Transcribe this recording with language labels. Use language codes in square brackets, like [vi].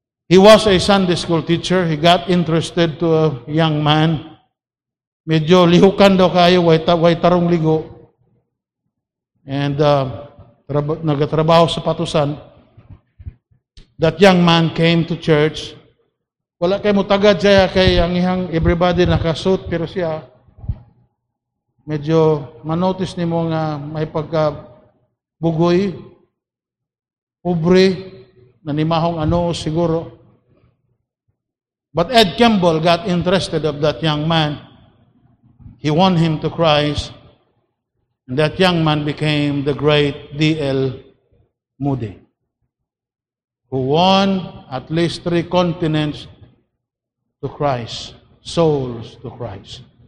[en] He was a Sunday school teacher. He got interested to a young man. [ceb] Medyo lihukan daw kayo, way tarong ligo. And nagatrabaho sa patusan. [en] That young man came to church. [ceb] Wala kay mutagad siya kay ang iyang everybody nakasuit, pero siya, medyo manotice ni mo nga may pagkabugoy, ubre, nanimahong ano siguro. [en] But Ed Kimball got interested of that young man. He won him to Christ, and that young man became the great D.L. Moody, who won at least 3 continents to Christ, souls to Christ.